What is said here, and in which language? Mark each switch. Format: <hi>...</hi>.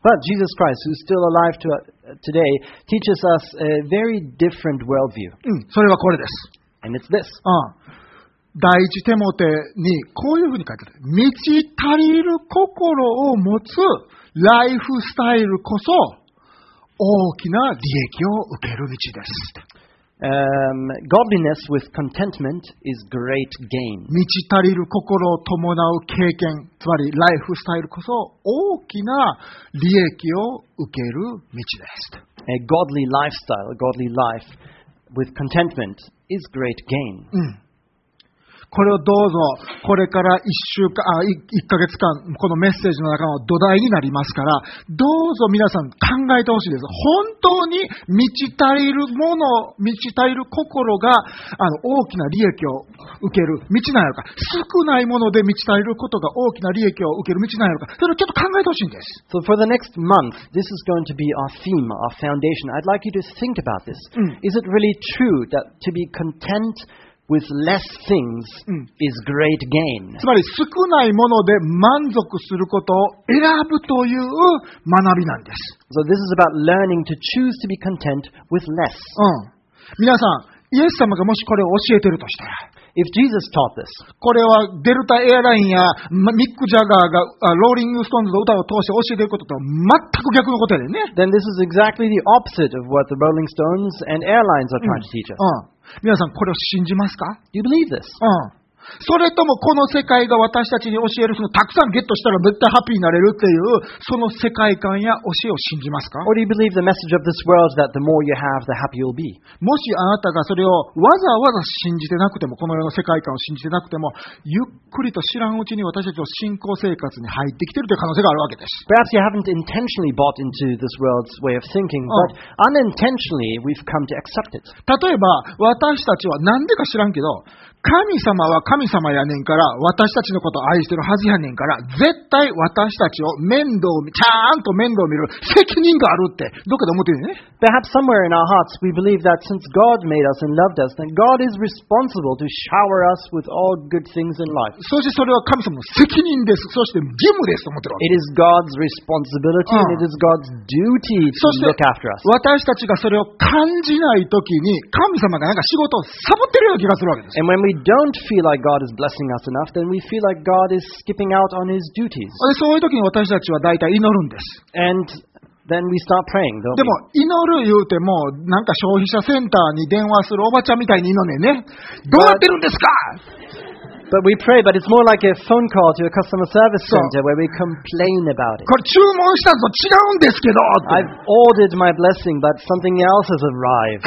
<en>But Jesus Christ who is still alive today teaches us a very different worldview.</en> <ja>それはこれです。</ja> <en>And it's this.</en> <ja>第一テモテにこういうふうに書いてある。満ち足りる心を持つライフスタイルこそ大きな利益を受ける道です。</ja> <en>Godliness with contentment is great gain.</en> <ja>満ち足りる心を伴う経験、つまりライフスタイルこそ大きな利益を受ける道です。</ja> <en>A godly lifestyle, a godly life with contentment is great gain.、</en> <ja>うん、これをどうぞこれから1週間、1ヶ月間、このメッセージの中の土台になりますから、どうぞ皆さん考えてほしいです。本当に満ち足りるもの、満ち足りる心が大きな利益を受ける道なのか、少ないもので満ち足りることが大きな利益を受ける道なのか、それをちょっと考えてほしいんです。</ja> <en>So for the next month, this is going to be our theme, our foundation. I'd like you to think about this.、うん、 is it really true that to be contentWith less things is great gain.</en> <ja>つまり少ないもので満足することを選ぶという学びなんです。</ja> <en>So this is about learning to choose to be content with less. うん。</en> <ja>皆さん、イエス様がもしこれを教えてるとしたら、</ja> <en>If Jesus taught this,</en> <ja>これはデルタエアラインやミック・ジャガーがローリング・ストーンズの歌を通して教えていることとは全く逆のことでね。</ja> <en>Then this is exactly the opposite of what the Rolling Stones and airlines are trying to teach us.</en> <ja>うん。うん皆さんこれを信じますか?</ja> <en>You believe this?、</en> <ja>うん、それともこの世界が私たちに教えるそのたくさんゲットしたら絶対ハッピーになれるっていうその世界観や教えを信じますか?</ja> <en>Or do you believe the message of this world that the more you have, the happier you'll be?</en> <ja>もしあなたがそれをわざわざ信じてなくてもこの世の世界観を信じてなくてもゆっくりと知らんうちに私たちの信仰生活に入ってきてるという可能性があるわけです。</ja> <en>Perhaps you haven't intentionally bought into this world's way of thinking, but unintentionally we've come to accept it.</en> <ja>例えば私たちは何でか知らんけど神様は神様やねんから私たちのことを愛してるはずやねんから絶対私たちを面倒見ちゃんと面倒見る責任があるってどっかで思ってるね。</ja> <en>Perhaps somewhere in our hearts we believe that since God made us and loved us, then God is responsible to shower us with all good things in life.</en> <ja>そしてそれは神様の責任です。そして義務ですと思ってるわけ。</ja> <en>It is God's responsibility and it is God's duty to look after us.</en> <ja>そして私たちがそれを感じないときに神様がなんか仕事をサボってるような気がするわけです。</ja> <en>We don't feel like God is blessing us enough, then we feel like God is skipping out on His duties.</en> <ja>そういう時に私たちは大体祈るんです。</ja> <en>And then we start praying.</en> <ja>でも祈る言うてもなんか消費者センターに電話するおばちゃんみたいに祈んねんね。どうやってるんですか？</ja> <en>But we pray, but it's more like a phone call to a customer service center where we complain about it.</en> <ja>これ注文したと違うんですけど。</ja> <en>I've ordered my blessing, but something else has arrived.</en>